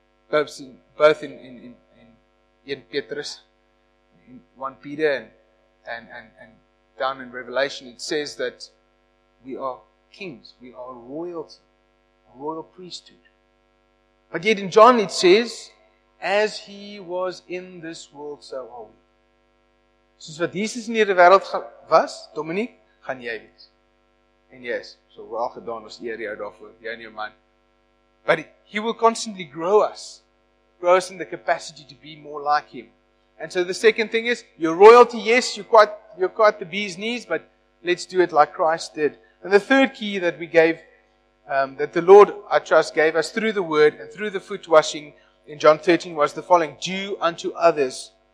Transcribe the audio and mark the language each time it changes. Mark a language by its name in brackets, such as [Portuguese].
[English] Both in Petrus, in 1 Peter and down in Revelation, it says that we are kings, we are royalty, a royal priesthood. But yet in John it says, as He was in this world, so are we. [Afrikaans] Soos wat Jesus in hierdie wêreld was, Dominic, gaan jy wees. En yes, so wel gedaan, ons eer jou daarvoor, jy en jou man. [English] But He will constantly grow us in the capacity to be more like Him. And so the second thing is, your royalty, yes, you're quite the bee's knees, but let's do it like Christ did. And the third key that we gave, that the Lord, I trust, gave us through the word and through the foot washing in John 13 was the following, do unto others.